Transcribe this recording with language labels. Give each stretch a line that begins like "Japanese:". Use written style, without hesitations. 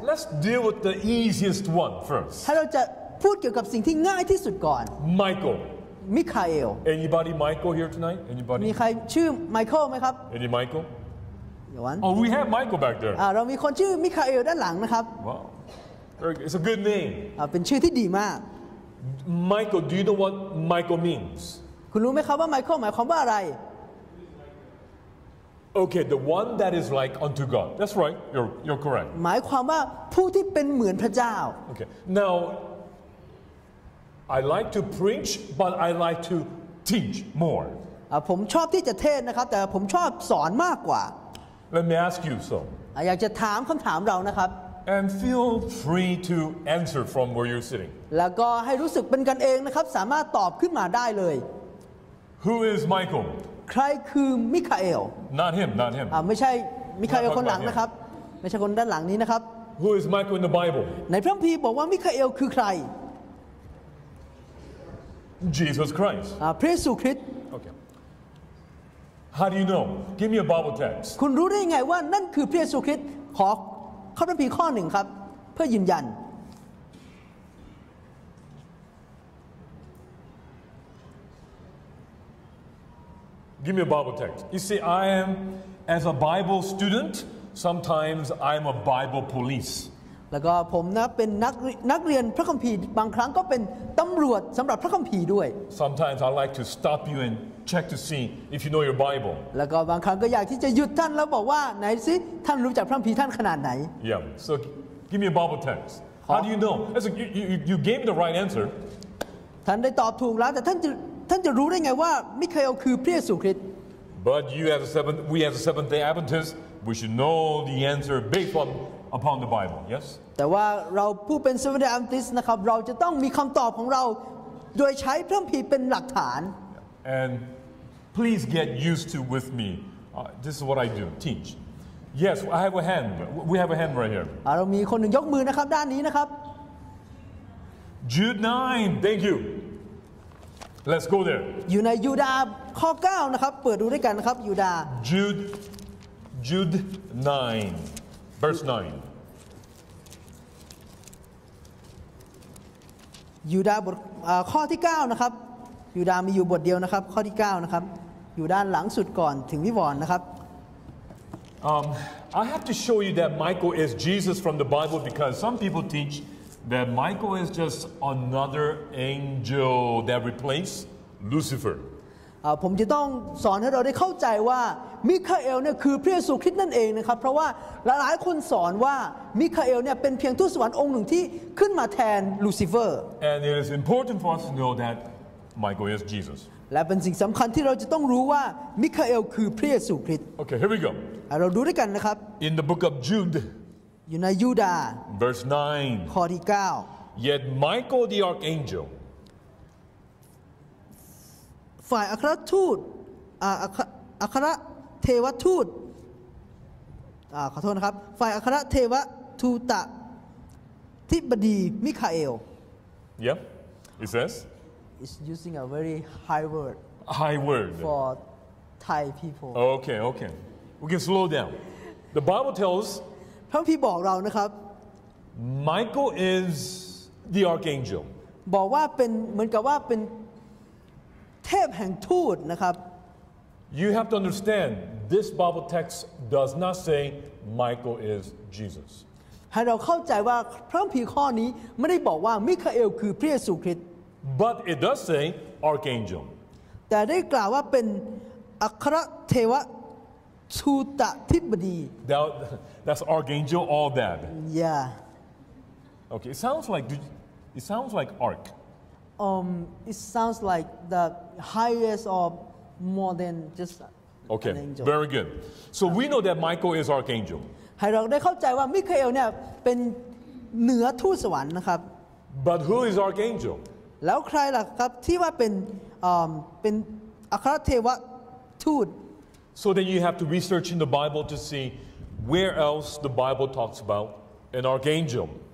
English: Let's deal with the easiest one first.
Thai: ถ้าเราจะพูดเกี่ยวกับสิ่งที่ง่ายที่สุดก่อน
English: Michael. Michael. Anybody Michael here tonight? Anybody?
Thai: มีใครชื่อ Michael ไหมครับ
English: Any Michael? One. Oh, we have Michael back there.
Thai: เรามีคนชื่อ Michael ด้านหลังนะครับ
English: Wow. It's a good name.
Thai: เป็นชื่อที่ดีมาก
English: Michael, do you know what Michael means?
Thai: คุณรู้ไหมครับว่า Michael หมายความว่าอะไร
English: Okay, the one that is like unto God. That's right. You're correct.
Thai: หมายความว่าผู้ที่เป็นเหมือนพระเจ้า
English: Okay. Now, I like to preach, but I like to teach more.
Thai: ผมชอบที่จะเทศนะครับแต่ผมชอบสอนมากกว่า
English: Let me ask you some.
Thai: อยากจะถามคำถามเรานะครับ
English: And feel free to answer from where you're sitting.
Thai: แล้วก็ให้รู้สึกเป็นกันเองนะครับสามารถตอบขึ้นมาได้เลย
English: Who is Michael?
Thai: ใครคือมิคาเอล
English: Not him.
Thai: ไม่ใช่มิคาเอลคนหลังนะครับไม่ใช่คนด้านหลังนี้นะครับ
English: Who is Michael in the Bible?
Thai: ในพระคัมภีร์บอกว่ามิคาเอลคือใคร
English: Jesus Christ.
Thai: พระเยซูคริสต์
English: Okay. How do you know? Give me a Bible text.
Thai: คุณรู้ได้ไงว่านั่นคือพระเยซูคริสต์ขอข้อพระคัมภีร์ข้อหนึ่งครับเพื่อยืนยัน
English: Give me a Bible text. You see, I am, as a Bible student, sometimes I am a Bible police.
Thai: แล้วก็ผมนะเป็นนักเรียนพระคัมภีร์บางครั้งก็เป็นตำรวจสำหรับพระคัมภีร์ด้วย
English: Sometimes I like to stop you and check to see if you know your Bible.
Thai: แล้วก็บางครั้งก็อยากที่จะหยุดท่านแล้วบอกว่าไหนสิท่านรู้จักพระคัมภีร์ท่านขนาดไหน
English: Yeah. So Give me a Bible text. How do you know? You gave me the right answer.
Thai: ท่านได้ตอบถูกแล้วแต่ท่านจะรู้ได้ไงว่ามิคาเอลคือพระเยซูคริสต์
English: But you as a seventh, we as a Seventh Day Adventist, we should know the answer based upon the Bible. Yes.
Thai: แต่ว่าเราผู้เป็น Seventh Day Adventist นะครับเราจะต้องมีคำตอบของเราโดยใช้พระคัมภีร์เป็นหลักฐาน
English: And please get used to with me. This is what I do. Teach. Yes, I have a hand. We have a hand right here.
Thai: เรามีคนหนึ่งยกมือนะครับด้านนี้นะครับ
English: Jude 9. Thank you. Let's go there.
Thai: อยู่ในยูดาห์ข้อ9นะครับเปิดดูด้วยกันนะครับยูดาห์
English: Jude 9. Verse 9.
Thai: ยูดาห์บทข้อที่9นะครับยูดาห์มีอยู่บทเดียวนะครับข้อที่9นะครับอยู่ด้านหลังสุดก่อนถึงวิวรณ์นะครับ
English: I have to show you that Michael is Jesus from the Bible because some people teach that Michael is just another angel that replaced Lucifer.
Thai: ผมจะต้องสอนให้เราได้เข้าใจว่ามิคาเอลเนี่ยคือพระเยซูคริสต์นั่นเองนะครับเพราะว่าหลายๆคนสอนว่ามิคาเอลเนี่ยเป็นเพียงทูตสวรรค์องค์หนึ่งที่ขึ้นมาแทนลูซิเฟอร์
English: And it is important for us to know that Michael is Jesus.
Thai: และเป็นสิ่งสำคัญที่เราจะต้องรู้ว่ามิคาเอลคือพระเยซูคริสต์
English: Okay, here we go.
Thai: เราดูด้วยกันนะครับ
English: In the book of Jude,
Thai: อยู่ในยูดาห์
English: Verse 9.
Thai: ข้อที่9
English: Yet Michael the archangel,
Thai: ฝ่ายอัครทูตอัครเทวทูตขอโทษนะครับฝ่ายอัครเทวทูตที่บดีมิคาเอล
English: Yep, it says. Is using a very high word. High word for Thai people. Okay, okay. We can slow down. The Bible tells.
Thai: พระคัมภีร์บอกเรานะครับ
English: Michael is the archangel.
Thai: บอกว่าเป็นเหมือนกับว่าเป็นเทพแห่งทูตนะครับ
English: You have to understand. This Bible text does not say Michael is Jesus.
Thai: ให้เราเข้าใจว่าพระคัมภีร์ข้อนี้ไม่ได้บอกว่ามิคาเอลคือพระเยซูคริสต์
English: But it does say archangel.
Thai: แต่ได้กล่าวว่าเป็นอัครเทวทูตทิบดี
English: That's archangel, all that. Yeah. Okay. It sounds like arch. It sounds like the highest or more than just an angel. Okay. Very good. So we know that Michael is archangel.
Thai: ให้เราได้เข้าใจว่ามิคาเอลเนี่ยเป็นเหนือทูตสวรรค์นะครับ
English: But who is archangel?
Thai: แล้วใครล่ะครับที่ว่าเป็นอัครเทวทูต
English: So then you have to research in the Bible to see where else the Bible talks about an archangel.